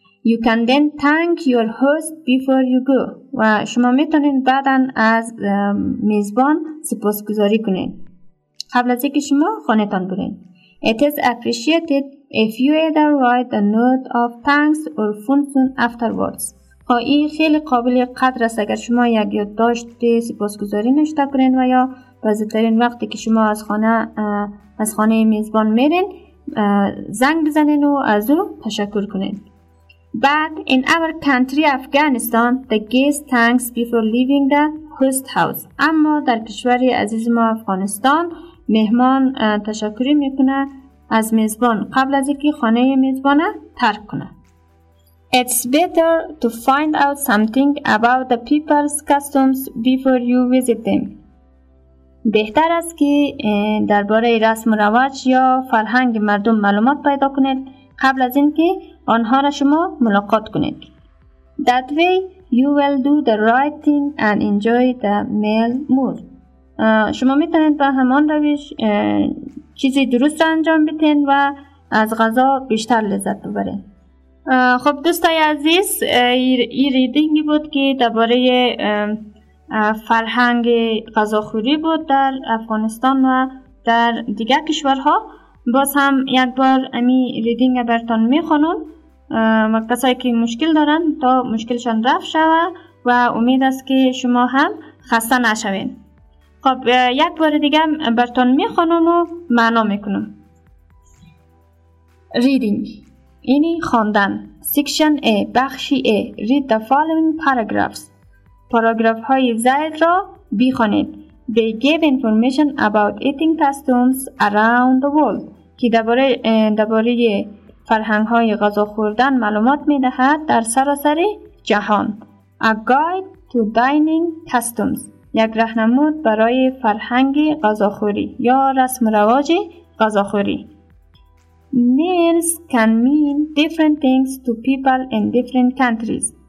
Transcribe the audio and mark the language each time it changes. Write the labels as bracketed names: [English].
[English] You can then thank your host before you go. [Persian] و شما میتونید بعدا از میزبان سپاسگزاری کنید قبل از اینکه شما خانه تان برین. [English] It is appreciated if you either write a note of thanks or phone soon afterwards. [Persian] این خیلی قابل قدر است اگر شما یک یادداشت سپاسگزاری نوشته کنین و یا بزرگترین وقتی که شما از خانه میزبان میرین زنگ بزنین و از او تشکر کنین. [English] But in our country Afghanistan, the guest thanks before leaving the host house. [Persian] اما در کشور عزیز ما افغانستان مهمان تشکری میکنه از میزبان قبل از اینکه خانه میزبان ترک کنه. [English] It's better to find out something about the people's customs before you visit them. [Persian] بهتر است که درباره رسم و رواج یا فرهنگ مردم معلومات پیدا کنید قبل از اینکه آنها را شما ملاقات کنید. [English] That way you will do the right thing and enjoy the meal more. [Persian] شما می توانید با همان روش چیزی درست را انجام بدهید و از غذا بیشتر لذت ببرید. خب دوستای عزیز این ریدینگ بود که درباره فرهنگ غذاخوری بود در افغانستان و در دیگر کشورها. باز هم یک بار امی ریدینگ برتان می خونم و کسایی که مشکل دارن تا مشکلشان رفع شوه و امید است که شما هم خسته نشوین. خب یک بار دیگه برتان می خونم و معنا می کنم. ریدینگ اینی خواندن. سیکشن A بخشی A. [English] Read the following paragraphs. [Persian] پاراگراف های زائد را بخونید. [English] They give information about eating customs around the world. [Persian] که درباره فرهنگ های غذا خوردن معلومات می دهد در سراسر جهان. [English] A guide to dining customs. [Persian] یک رهنمود برای فرهنگ غذا خوری یا رسم رواج غذا خوری. [English] Meals can mean different things to people in different countries.